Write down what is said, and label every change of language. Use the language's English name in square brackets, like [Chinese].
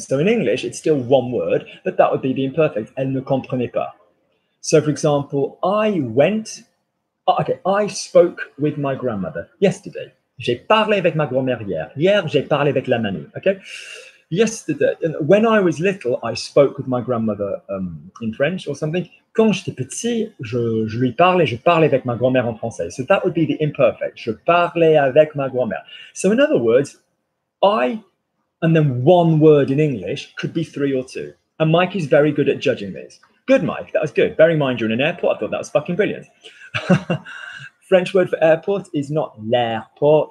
[English] So in English, it's still one word, but that would be the imperfect. [French] Elle ne comprenait pas. [English] So, for example, I spoke with my grandmother yesterday. [French] J'ai parlé avec ma grand-mère hier. Hier, j'ai parlé avec la mamie, okay? [English] Yesterday, when I was little, I spoke with my grandmother in French or something. [French] Quand j'étais petit, je lui parlais, je parlais avec ma grand-mère en français. [English] So that would be the imperfect. [French] Je parlais avec ma grand-mère. [English] So in other words, I, and then one word in English could be 3 or 2. And Mike is very good at judging this. Good, Mike. That was good. Bearing in mind, you're in an airport. I thought that was fucking brilliant. French word for airport is not l'airport.